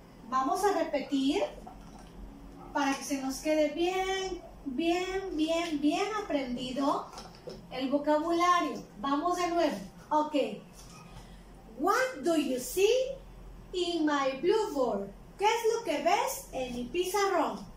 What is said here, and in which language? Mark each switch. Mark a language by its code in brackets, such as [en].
[es] Vamos a repetir para que se nos quede bien aprendido el vocabulario. Vamos de nuevo. Ok. [en] What do you see in my blue board? [es] ¿Qué es lo que ves en mi pizarrón?